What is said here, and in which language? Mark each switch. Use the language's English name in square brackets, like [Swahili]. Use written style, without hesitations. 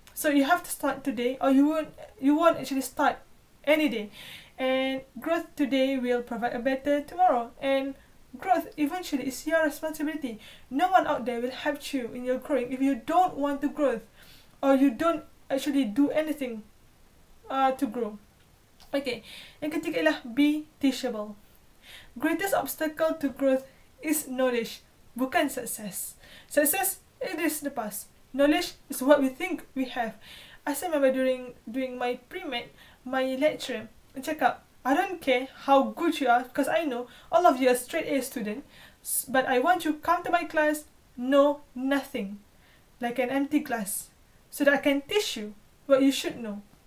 [English] So you have to start today, or you won't actually start any day. And growth today will provide a better tomorrow. And growth eventually is your responsibility. No one out there will help you in your growing if you don't want to grow, or you don't actually do anything to grow. [Malay] Okay, yang ketiga ialah [English] be teachable. Greatest obstacle to growth is knowledge, [Malay] bukan [English] success. Success, it is the past. Knowledge is what we think we have. I still remember during my pre-med, my lecturer [Malay] cakap, [English] I don't care how good you are, because I know all of you are straight A student, but I want you come to my class, know nothing, like an empty class, so that I can teach you what you should know.